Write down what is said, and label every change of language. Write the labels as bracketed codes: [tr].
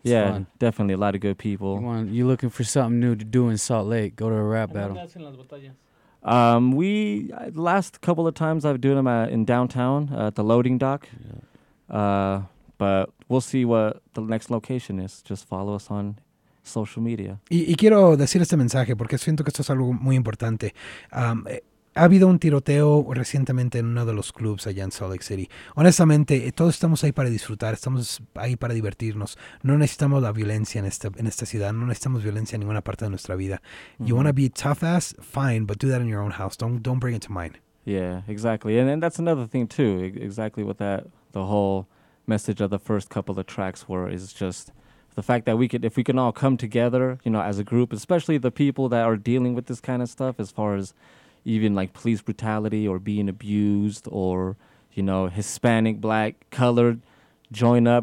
[en] Yeah, definitely a lot of good people. You're looking for something new to do in Salt Lake, go to a rap battle. The last couple of times I've done them in downtown, at the loading dock. Yeah. But we'll see what the next location is. Just follow us on social media. [es] Y quiero decir este mensaje porque siento que esto es algo muy importante. Ha habido un tiroteo recientemente en uno de los clubs allá en Salt Lake City. Honestamente, todos estamos ahí para disfrutar, estamos ahí para divertirnos. No necesitamos la violencia en esta ciudad, no necesitamos violencia en ninguna parte de nuestra vida. [en] Mm-hmm. You want to be tough ass? Fine, but do that in your own house. Don't bring it to mine. Yeah, exactly. And that's another thing too, exactly with that, the whole message of the first couple of tracks were, is just the fact that if we can all come together, you know, as a group, especially the people that are dealing with this kind of stuff, as far as even like police brutality or being abused, or, you know, Hispanic, Black, colored, join up.